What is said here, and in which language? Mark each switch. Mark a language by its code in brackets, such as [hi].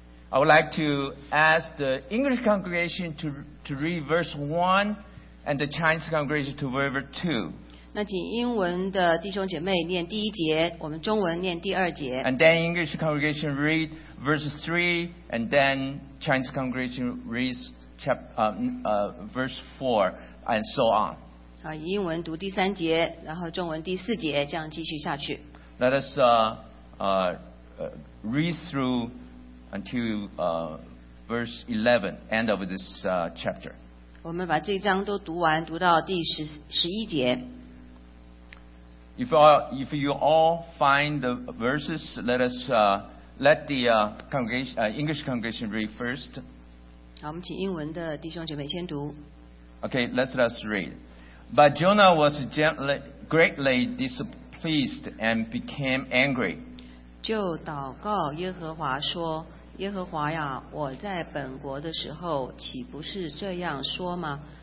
[en] I would like to ask the English congregation to read verse 1 and the Chinese congregation to read verse 2. [zh] 那请英文的弟兄姐妹念第一节, 我们中文念第二节。 [en] And then English congregation read verse 3 and then Chinese congregation reads verse 4. And so on. [zh] 以英文读第三节, 然后中文第四节, 这样继续下去。 [en] Let us read through until verse 11, end of this chapter. [zh] 我们把这一章都读完, 读到第十一节。 [en] If you all find the verses, let us let the congregation, English congregation read first. [zh] 好，我们请英文的弟兄姐妹先读。 [en] Okay, let's read. But Jonah was greatly displeased and became angry. [zh] 就祷告耶和华说：“耶和华呀，我在本国的时候岂不是这样说吗？